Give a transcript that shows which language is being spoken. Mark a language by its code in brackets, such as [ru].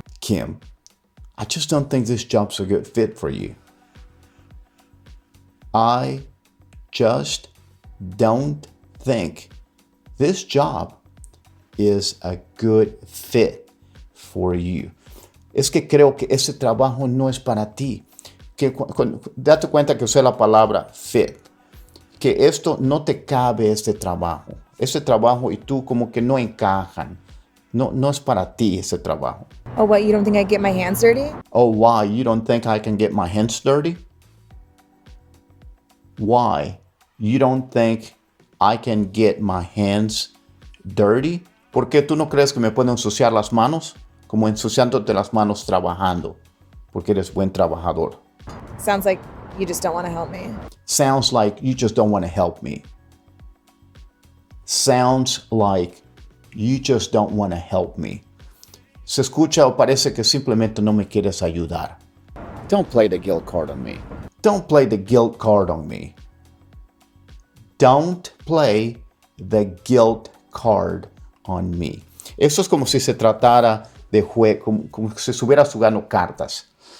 [en] Kim, I just don't think this job's a good fit for you. I just don't think this job is a good fit for you. [es] Es que creo que ese trabajo no es para ti. Que, date cuenta que usé la palabra fit. Que esto no te cabe, este trabajo. Ese trabajo y tú como que no encajan. No es para ti ese trabajo. [en] Oh, what, you don't think I get my hands dirty? Oh, why, you don't think I can get my hands dirty? Why, you don't think I can get my hands dirty? [es] ¿Por qué tú no crees que me pueden ensuciar las manos? Como ensuciándote las manos trabajando. Porque eres buen trabajador. [en] Sounds like you just don't want to help me. Sounds like you just don't want to help me. Sounds like you just don't want to help me. [es] Se escucha o parece que simplemente no me quieres ayudar. [en] Don't play the guilt card on me. Don't play the guilt card on me. Don't play the guilt card on me. [es] Eso es como si se tratara de juego, como si estuvieras jugando cartas.